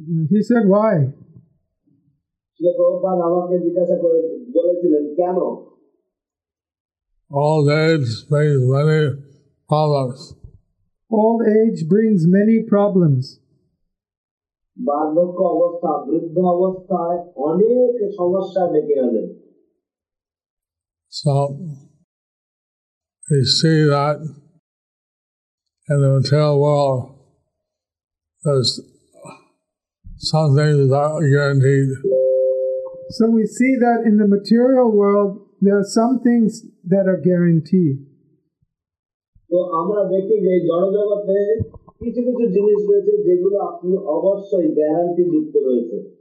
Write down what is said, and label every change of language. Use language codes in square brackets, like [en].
[en] He said, why? [bn] Srila Prabhupada amake jiggesha korechilen, keno? [en] Old age brings many problems. Old age brings many problems. [bn] বার্ধক্য অবস্থা বৃদ্ধ অবস্থায় অনেক সমস্যা ডেকে আনে. [en] So we see that in the material world there's something that are guaranteed. So we see that in the material world there are some things that are guaranteed. [bn] তো আমরা দেখি যে জড়জগতে কিছু কিছু জিনিস রয়েছে যেগুলো আপনি অবশ্যই গ্যারান্টি যুক্ত রয়েছে.